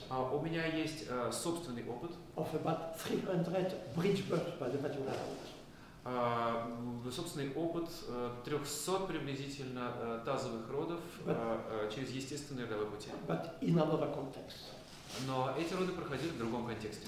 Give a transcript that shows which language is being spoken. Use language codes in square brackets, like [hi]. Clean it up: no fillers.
[ru] У меня есть собственный опыт. [en] Of about 300 bridge births by the vaginal route. [ru] Собственный опыт 300 приблизительно тазовых родов через естественные родовые пути. [en] But in another context. [ru] Но эти роды проходили в другом контексте.